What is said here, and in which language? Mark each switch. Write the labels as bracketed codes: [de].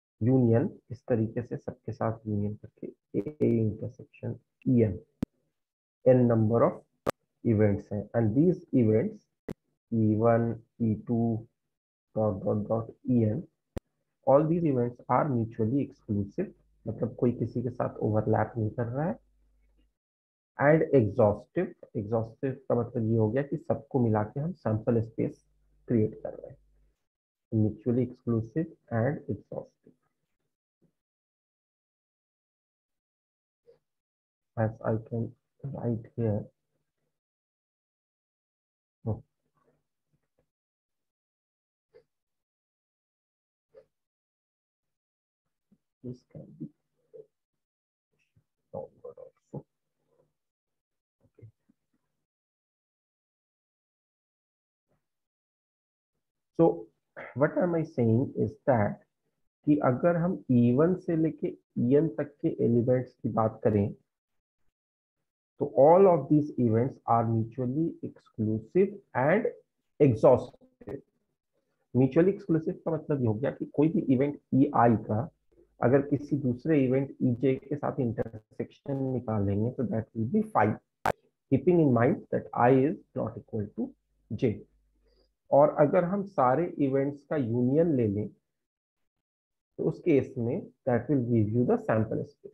[en] union [hi] इस तरीके से सबके साथ [en] union करके A intersection EN n number of events हैं and these events E1 E2 .. EN all these events are mutually exclusive, [hi] मतलब कोई किसी के साथ overlap नहीं कर रहा है [en] and exhaustive. [hi] exhaustive का मतलब ये हो गया कि सबको मिला के हम sample space create कर रहे हैं. [en] mutually exclusive and exhaustive. as I can write here. this can be downward also. So what am I saying is that [hi] कि अगर हम E1 से लेके EN तक के elements की बात करें तो [en] all of these events are mutually exclusive and exhaustive. [hi] mutually exclusive का मतलब ये हो गया कि कोई भी event EI का अगर किसी दूसरे इवेंट EJ के साथ इंटरसेक्शन निकालेंगे तो [en] That will be 5, keeping in mind that I is not equal to J. [hi] और अगर हम सारे इवेंट्स का यूनियन ले लें तो उस केस में [en] That will give you the sample space.